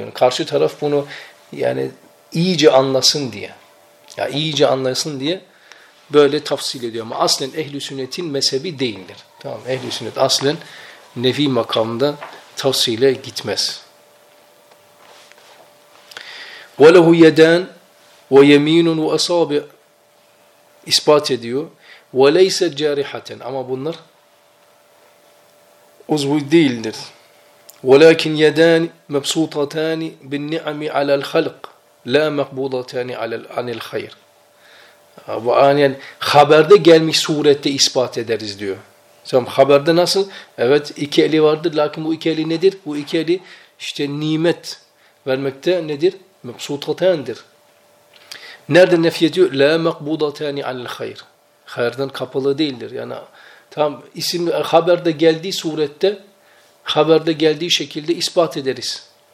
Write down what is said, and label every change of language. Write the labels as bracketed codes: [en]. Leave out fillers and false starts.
[tr] Yani karşı taraf bunu yani iyice anlasın diye. Ya yani iyice anlasın diye böyle tafsil ediyor. Ama aslen Ehl-i Sünnet'in mezhebi değildir. Tamam, Ehl-i Sünnet aslen nefi makamında tafsile gitmez. [ar] وَلَهُ يَدَانْ وَيَم۪ينٌ وَأَصَابِعٌ [tr] İspat ediyor. [ar] وَلَيْسَ جَارِحَةً [tr] Ama bunlar uzvu değildir. [ar] وَلَاكِنْ يَدَانِ مَبْسُوطَتَانِ بِالنِّعَمِ عَلَى الْخَلْقِ لَا مَقْبُولَتَانِ عَنِ الْخَيْرِ [tr] Yani haberde gelmiş surette ispat ederiz diyor. Tamam, haberde nasıl? Evet, iki eli vardır. Lakin bu iki eli nedir? Bu iki eli işte nimet vermekte nedir? مَبْسُوطَتَانِدir. Nerede nefy ediyor? [ar] لَا مَقْبُودَتَانِ عَلَى الْخَيْرِ [tr] Hayırdan kapalı değildir. Yani Tamam, isim haberde geldiği surette, haberde geldiği şekilde ispat ederiz.